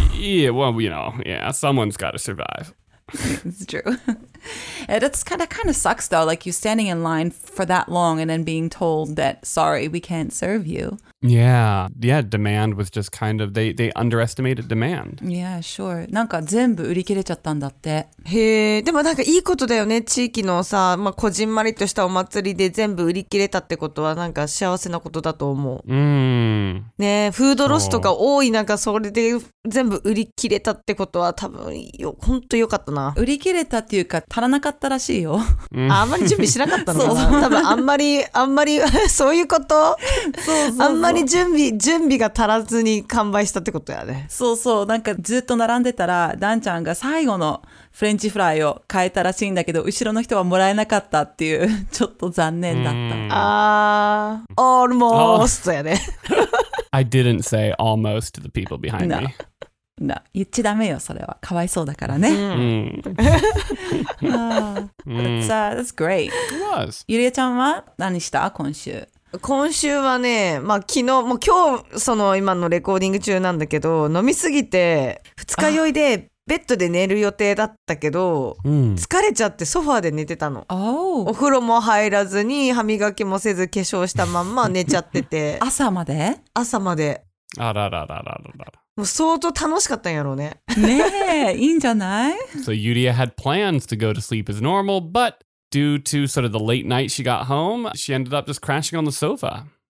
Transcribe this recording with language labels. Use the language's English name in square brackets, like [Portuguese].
[English] Yeah, well, you know, yeah, someone's got to survive. It's true. It's kind of sucks though, like you're standing in line for that long and then being told that, sorry, we can't serve you. Yeah. Yeah, demand was just kind of, they underestimated demand. Yeah, sure. [Japanese] なんか全部売り切れちゃったんだって。へえ、でもなんかいいことだよね。地域のさ、まあ、こじんまりとしたお祭りで全部売り切れたってことはなんか幸せなことだと思う。ねえ、フードロスとか多い、なんかそれで全部売り切れたってことは多分よ、本当良かったな。売り切れたっていうか足らなかったらしいよ。あんまり準備しなかったのかな。多分あんまりそういうこと。そう。あんまり準備が足らずに完売したってことやね。そうそう、なんかずっと並んでたらダンちゃんが最後のフレンチフライを買えたらしいんだけど、後ろの人はもらえなかったっていう、ちょっと残念だった。あー、almost やね。 [English] I didn't say almost to the people behind me. [Japanese] No, 言っちゃダメよ、それは。かわいそうだからね。 [English] But that's great. It was. [Japanese] ゆりえちゃんは何した今週? 今週はね、まあ昨日、もう今日、その今のレコーディング中なんだけど、飲みすぎて、二日酔いでベッドで寝る予定だったけど、疲れちゃってソファーで寝てたの。 Oh. お風呂も入らずに、歯磨きもせず化粧したまんま寝ちゃってて。朝まで？朝まで。あららららららら。もう相当楽しかったんやろうね。ねえ、いいんじゃない [English] ?So Yuria had plans to go to sleep as normal, but... Due to sort of the late night she got home, she ended up just crashing on the sofa.